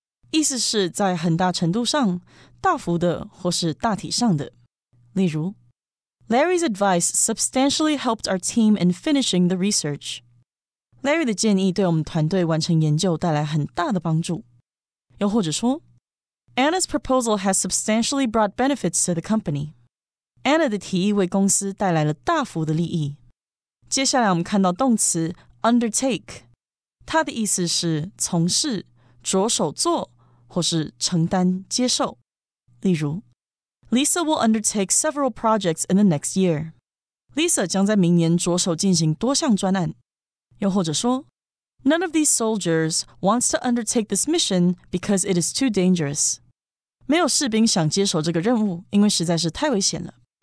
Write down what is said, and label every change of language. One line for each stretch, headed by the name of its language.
Chinese: 意思是在很大程度上，大幅的或是大体上的。例如
English: ，Larry's advice substantially helped our team in finishing the research.
Chinese: Larry 的建议对我们团队完成研究带来很大的帮助。又或者说
English: ，Anna's proposal has substantially brought benefits to the company.
Chinese: Anna 的提议为公司带来了大幅的利益。接下来我们看到动词 undertake， 它的意思是从事、着手做。或是承担、接受。例如
English: ,Lisa will undertake several projects in the next year.
Chinese: Lisa 将在明年着手进行多项专案。又或者说
English: ,None of these soldiers wants to undertake this mission because it is too dangerous.
Chinese: 没有士兵想接手这个任务因为实在是太危险了。